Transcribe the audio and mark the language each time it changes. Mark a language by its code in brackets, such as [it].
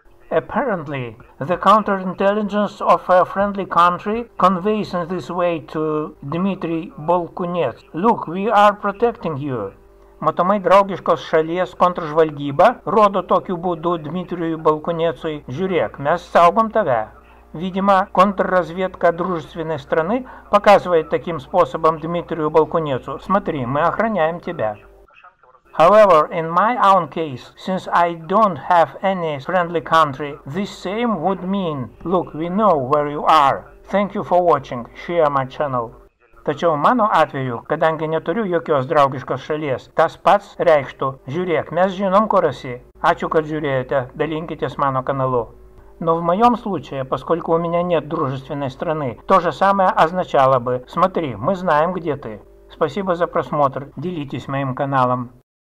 [en] Apparently, the counterintelligence of a friendly country conveys in this way to Dmitry Balkunets. Look, we are protecting you. [lt] Matomai draugiškos šalies kontržvalgyba rodo tokiu būdu Dmitriui Balkunetsui, žiūrėk, mes saugom tave. [ru] Видимо, контрразведка дружественной страны показывает таким способом Дмитрию Балкунецу, смотри, мы охраняем тебя. [en] However, in my own case, since I don't have any friendly country, this same would mean, look, we know where you are. Thank you for watching. Share my channel. [lt] Tačiau mano atveju, kadangi neturiu jokios draugiškos šalies, tas pats reikštų, žiūrėk, mes žinom, kur esi. Ačiū, kad žiūrėjote, dalinkitės mano kanalu. [ru] Но в моем случае, поскольку у меня нет дружественной страны, то же самое означало бы, смотри, мы знаем, где ты. Спасибо за просмотр, делитесь моим каналом.